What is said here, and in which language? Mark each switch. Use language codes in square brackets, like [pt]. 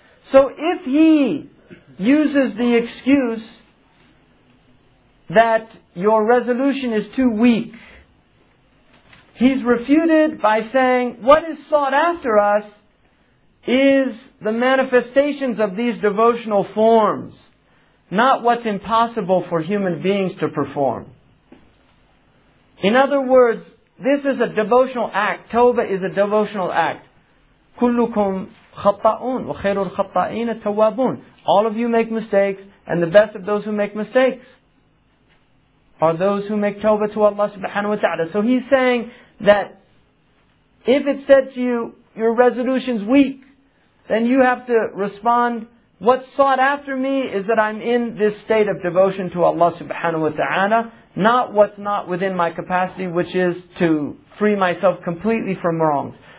[en] So if he uses the excuse that your resolution is too weak, he's refuted by saying, what is sought after us is the manifestations of these devotional forms, not what's impossible for human beings to perform. In other words, this is a devotional act. Tawbah is a devotional act. [ar] كلكم خطأون وخير الخطائين التوابون. [en] All of you make mistakes, and the best of those who make mistakes are those who make tawbah to Allah subhanahu wa ta'ala. So he's saying that if it said to you, your resolution's weak, then you have to respond, what's sought after me is that I'm in this state of devotion to Allah subhanahu wa ta'ala, not what's not within my capacity, which is to free myself completely from wrongs.